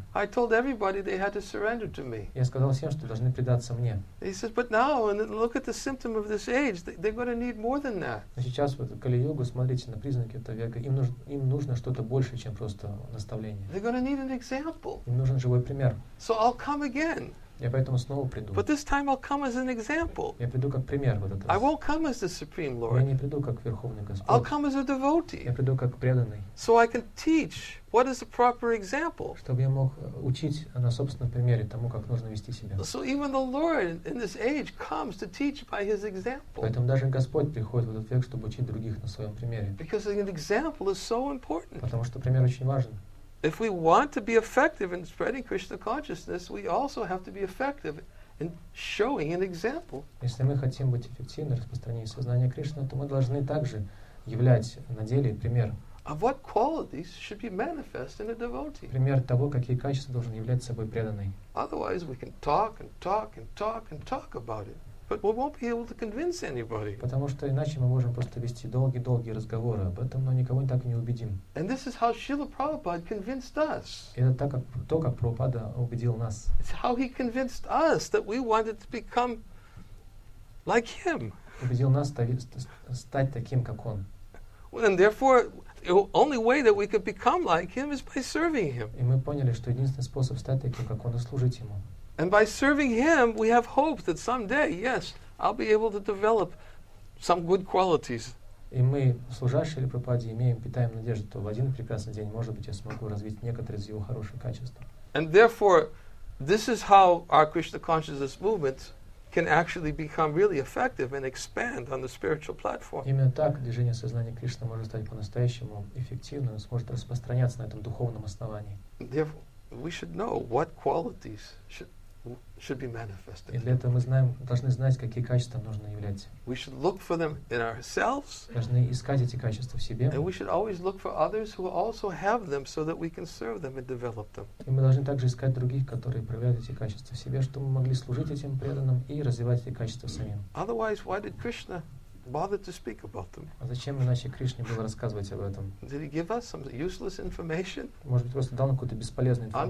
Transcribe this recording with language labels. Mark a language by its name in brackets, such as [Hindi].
[English] I told everybody they had to surrender to me. [Russian] Я сказал всем, что должны предаться мне. [English] He said, but now, and look at the symptom of this age, they're going to need more than that. [Russian] Но сейчас вот Кали-юга, смотрите на признаки этого века, им нужно что-то большее, чем просто наставление. [English] They're going to need an example. [Russian] Им нужен живой пример. [English] So I'll come again. [Russian] Я поэтому снова приду. [English] But this time I'll come as an example. [Russian] Я приду как пример в этот раз. [English] I won't come as the Supreme Lord. [Russian] Я не приду как Верховный Господь. [English] I'll come as a devotee. [Russian] Я приду как преданный. [English] So I can teach what is the proper example. [Russian] Чтобы я мог учить на собственном примере тому, как нужно вести себя. [English] So even the Lord in this age comes to teach by his example. [Russian] Поэтому даже Господь приходит в этот век, чтобы учить других на своем примере. [English] Because an example is so important. [Russian] Потому что пример очень важен. [English] If we want to be effective in spreading Krishna consciousness, we also have to be effective in showing an example. [Russian] Если мы хотим быть эффективны в распространении сознания Кришны, то мы должны также являть на деле пример. [English] Of what qualities should be manifest in a devotee? [Russian] Пример того, какие качества должен являть собой преданный. [English] Otherwise, we can talk and talk and talk and talk about it, but we won't be able to convince anybody. [Russian] Потому что иначе мы можем просто вести долгие-долгие разговоры об этом, но никого так и не убедим. [English] And this is how Srila Prabhupada convinced us. [Russian] Это то, как Прабхупада убедил нас. [English] It's how he convinced us that we wanted to become like him. [Russian] Убедил нас стать таким, как он. [English] And therefore, the only way that we could become like him is by serving him. [Russian] И мы поняли, что единственный способ стать таким, как он, служить ему. [English] And by serving him, we have hope that someday, yes, I'll be able to develop some good qualities. [Russian] И мы, служа Шриле Прабхупаде, имеем, питаем надежду, что в один прекрасный день, может быть, я смогу развить некоторые из его хороших качеств. [English] And therefore, this is how our Krishna consciousness movement can actually become really effective and expand on the spiritual platform. [Russian] Именно так движение сознания Кришны может стать по-настоящему эффективным, сможет распространяться на этом духовном основании. [English] Therefore, we should know what qualities should be manifested. [Russian] И для этого мы должны знать, какие качества нужно являть. [English] We should look for them in ourselves. [Russian] Должны искать эти качества в себе. [English] And we should always look for others who also have them, so that we can serve them and develop them. [Russian] И мы должны также искать других, которые проявляют эти качества в себе, чтобы мы могли служить этим преданным и развивать эти качества самим. [English] Otherwise, why did Krishna bothered to speak about them? [Russian] Зачем иначе Кришне было рассказывать об этом? [English] Did he give us some useless information? [Russian] Может быть, просто дал нам какую-то бесполезную информацию?